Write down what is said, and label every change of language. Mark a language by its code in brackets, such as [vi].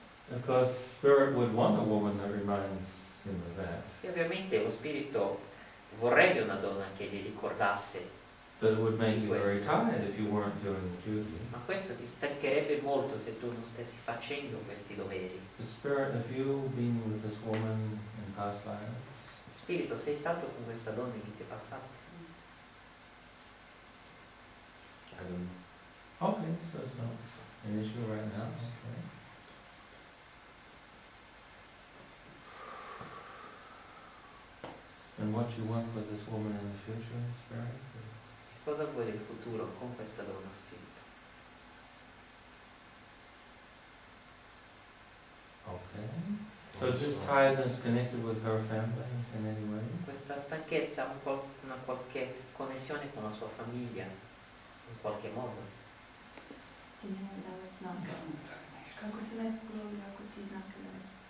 [en] Of course, spirit would want a woman that reminds him of that. [it] Sì, ovviamente lo spirito vorrebbe una donna che gli ricordasse. [en] But it would make you very tired if you weren't doing the duty. [it] Ma questo ti stancherebbe molto se tu non stessi facendo questi doveri. [en] But spirit, have you been with this woman in past lives? [it] Spirito, sei stato con questa donna in vite passate? [en] I don't know. Okay, so it's not an issue right now. Okay. And what you want with this woman in the future, Spirit? [it] Che cosa vuoi del futuro con questa donna, Spirito? [en] Okay. So is this tiredness connected with her family in any way? [it] Questa stanchezza ha una qualche connessione con la sua famiglia, in qualche modo? Non è così, non è così, non è così.